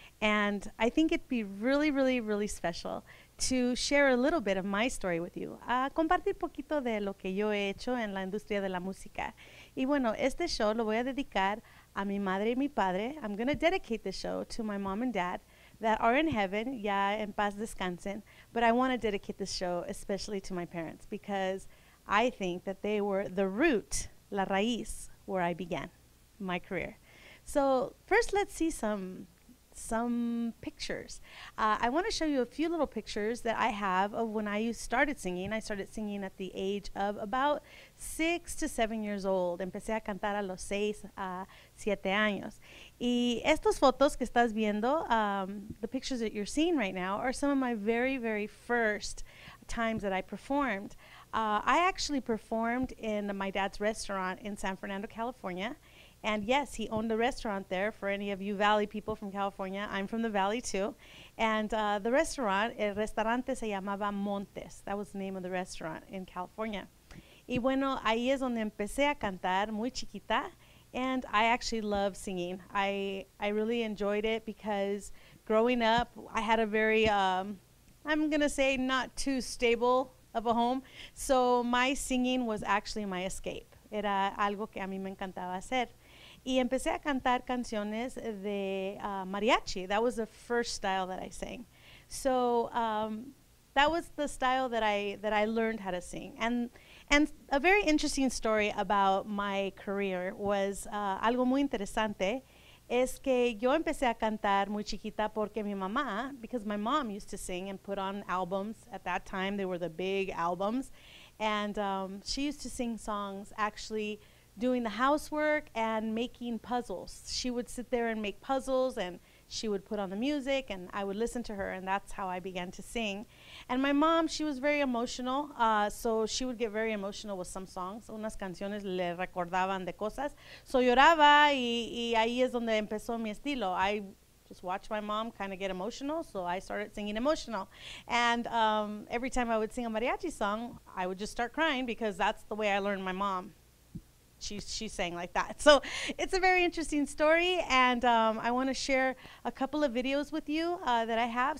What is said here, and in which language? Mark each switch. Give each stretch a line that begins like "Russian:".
English: And I think it'd be really, really, really special to share a little bit of my story with you.
Spanish: Compartir poquito de lo que yo he hecho en la industria de la música. Y bueno, este show lo voy a dedicar a mi madre y mi padre.
English: I'm going to dedicate the show to my mom and dad that are in heaven,
Spanish: ya en paz descansen,
English: but I want to dedicate this show especially to my parents because I think that they were the root,
Spanish: la raíz,
English: where I began my career. So first let's see some pictures. I want to show you a few little pictures that I have of when I started singing. I started singing at the age of about 6 to 7 years old.
Spanish: Empecé a cantar a los 6 a 7 años. Y estas fotos que estás viendo,
English: the pictures that you're seeing right now, are some of my very, very first times that I performed. I actually performed in my dad's restaurant in San Fernando, California. And yes, he owned a restaurant there. For any of you Valley people from California, I'm from the Valley too. And the restaurant,
Spanish: el restaurante se llamaba Montes.
English: That was the name of the restaurant in California.
Spanish: Y bueno, ahí es donde empecé a cantar muy chiquita.
English: And I actually love singing. I really enjoyed it because growing up, I had a very, I'm going to say, not too stable of a home. So my singing was actually my escape.
Spanish: Era algo que a mí me encantaba hacer. Y empecé a cantar canciones de mariachi.
English: That was the first style that I sang. So that was the style that I learned how to sing. And a very interesting story about my career was
Spanish: algo muy interesante es que yo empecé a cantar muy chiquita porque mi mamá,
English: because my mom used to sing and put on albums. At that time, they were the big albums. And she used to sing songs actually doing the housework and making puzzles. She would sit there and make puzzles and she would put on the music and I would listen to her, and that's how I began to sing. And my mom, she was very emotional, so she would get very emotional with some songs.
Spanish: Unas canciones le recordaban de cosas. So lloraba y ahí es donde empezó mi estilo.
English: I just watched my mom kind of get emotional, so I started singing emotional. And every time I would sing a mariachi song, I would just start crying because that's the way I learned my mom. She sang like that. So it's a very interesting story, and I want to share a couple of videos with you that I have.